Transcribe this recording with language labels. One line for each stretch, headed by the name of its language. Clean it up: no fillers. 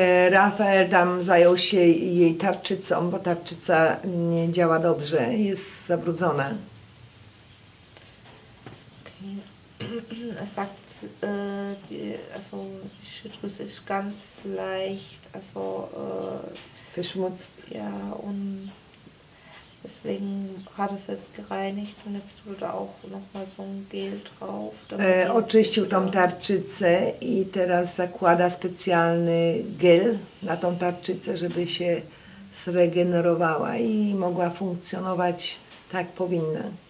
Polish: Rafael tam zajął się jej tarczycą, bo tarczyca nie działa dobrze, jest zabrudzona.
German: Er sagt, die Schilddrüse ist ganz leicht, also verschmutzt. Ja, und deswegen hat es jetzt gereinigt und jetzt tut er auch nochmal so ein Gel drauf.
Polish: Oczyścił tą tarczycę i teraz zakłada specjalny gel na tą tarczycę, żeby się zregenerowała i mogła funkcjonować tak, jak powinna.